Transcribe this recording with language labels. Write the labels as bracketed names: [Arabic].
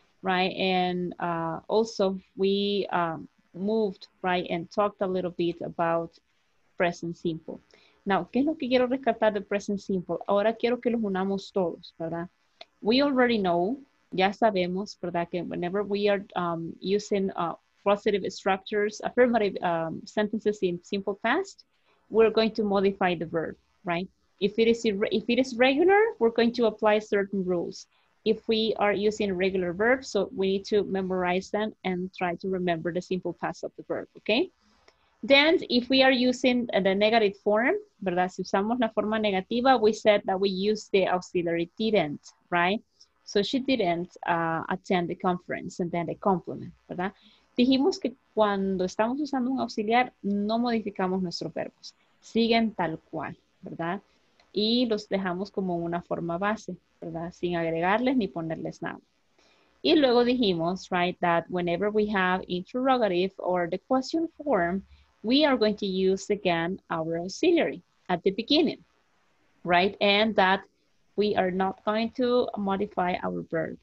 [English] Right, and also we moved, right, and talked a little bit about present simple. [Spanish] Now, ¿qué es lo que quiero rescatar de present simple? Ahora quiero que los unamos todos, ¿verdad? [English] We already know, [Spanish] ya sabemos, ¿verdad? [English] Que whenever we are using positive structures, affirmative sentences in simple past, we're going to modify the verb, right? If it is regular, we're going to apply certain rules. If we are using regular verbs, so we need to memorize them and try to remember the simple past of the verb, okay? Then if we are using the negative form, ¿verdad? [Spanish] Si usamos la forma negativa, [English] we said that we use the auxiliary didn't, right? So she didn't attend the conference and then the complement, ¿verdad? [Spanish] Dijimos que cuando estamos usando un auxiliar, no modificamos nuestros verbos. Siguen tal cual, ¿verdad? Y los dejamos como una forma base, ¿verdad? Sin agregarles ni ponerles nada. Y luego dijimos, [English] right, that whenever we have interrogative or the question form, we are going to use again our auxiliary at the beginning, right? And that we are not going to modify our verb.